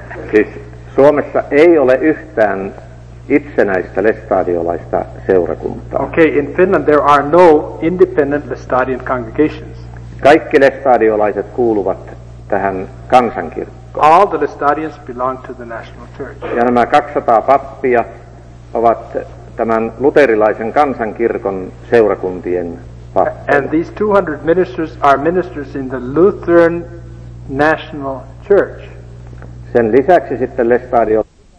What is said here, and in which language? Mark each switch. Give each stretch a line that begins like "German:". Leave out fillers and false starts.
Finnish: Siis Suomessa ei ole yhtään itsenäistä lestadiolaista seurakuntaa.
English: Okay, in Finland there are no independent Lestadian congregations.
Finnish: Kaikki lestadiolaiset kuuluvat tähän kansankirkkoon.
English: All the Lestadians belong to the national church.
Finnish: Ja nämä 200 pappia ovat tämän luterilaisen kansankirkon seurakuntien pappia.
English: And these 200 ministers are ministers in the Lutheran National Church.
Finnish: Sen lisäksi sitten lestadiolaiset